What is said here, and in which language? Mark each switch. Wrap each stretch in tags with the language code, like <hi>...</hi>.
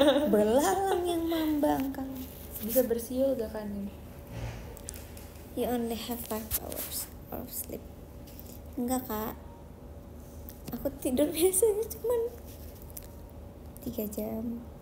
<id>Belalang yang membangkang. Bisa bersiul gak kan ini?</id> <en>You only have 5 hours of sleep.</en> <id>Enggak, Kak. Aku tidur biasanya cuman 3 jam.</id>